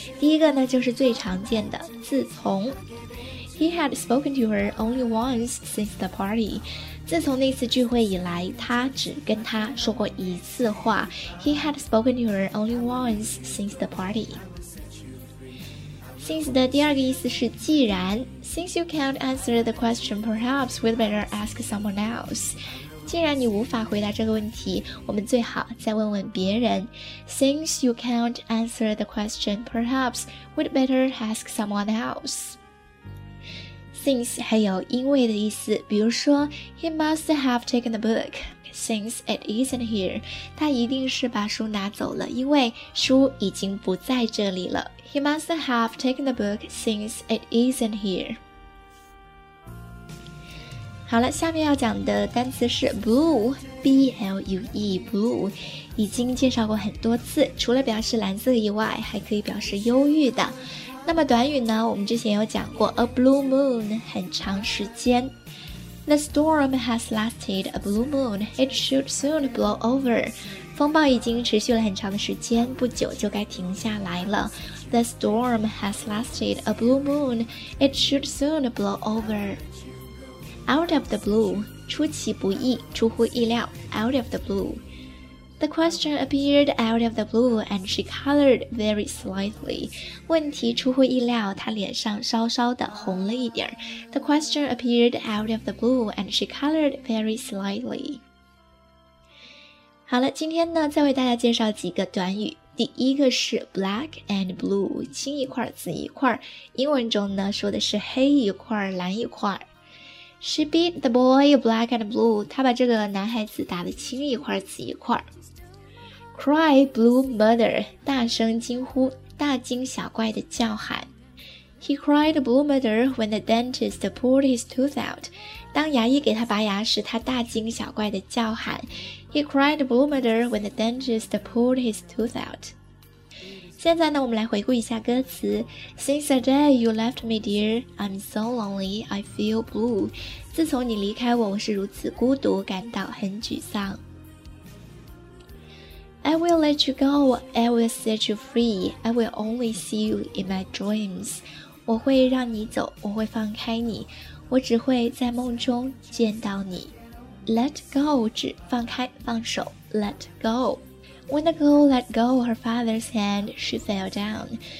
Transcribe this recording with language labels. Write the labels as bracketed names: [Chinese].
[Chinese] 第一个呢就是最常见的自从。 [English] He had spoken to her only once since the party. [Chinese] 自从那次聚会以来，他只跟她说过一次话。 [English] He had spoken to her only once since the party. Since [Chinese] 的第二个意思是既然 [English] Since you can't answer the question, perhaps we'd better ask someone else. [Chinese] 既然你无法回答这个问题，我们最好再问问别人。 [English] Since you can't answer the question, perhaps we'd better ask someone else. Since [Chinese] 还有因为的意思，比如说 [English] He must have taken the book since it isn't here. [Chinese] 他一定是把书拿走了，因为书已经不在这里了。 [English] He must have taken the book since it isn't here. [Chinese] 好了，下面要讲的单词是 blue, B-L-U-E, blue. 已经介绍过很多次，除了表示蓝色以外，还可以表示忧郁的。那么短语呢，我们之前有讲过 [English] a blue moon, [Chinese] 很长时间。 [English] The storm has lasted a blue moon. It should soon blow over. [Chinese] 风暴已经持续了很长的时间，不久就该停下来了。 [English] The storm has lasted a blue moon. It should soon blow over. Out of the blue, [Chinese] 出其不意，出乎意料 [English] out of the blue. The question appeared out of the blue and she colored very slightly. [Chinese] 问题出乎意料，她脸上稍稍的红了一点。 [English] The question appeared out of the blue and she colored very slightly. [Chinese] 好了，今天呢，再为大家介绍几个短语。第一个是 [English] black and blue， [Chinese] 青一块紫一块，英文中呢说的是黑一块蓝一块。 [English] She beat the boy black and blue， [Chinese] 她把这个男孩子打得青一块紫一块。 [English] Cry blue mother， [Chinese] 大声惊呼，大惊小怪的叫喊。 [English] He cried blue mother when the dentist pulled his tooth out， [Chinese] 当牙医给他拔牙时，他大惊小怪的叫喊。 [English] He cried blue mother when the dentist pulled his tooth out. [Chinese] 现在呢，我们来回顾一下歌词。 [English] Since the day you left me, dear, I'm so lonely, I feel blue. [Chinese] 自从你离开我，我是如此孤独，感到很沮丧。 [English] I will let you go, I will set you free, I will only see you in my dreams. [Chinese] 我会让你走，我会放开你，我只会在梦中见到你。 Let go 指放开放手 Let go. [English] When the girl let go her father's hand, she fell down.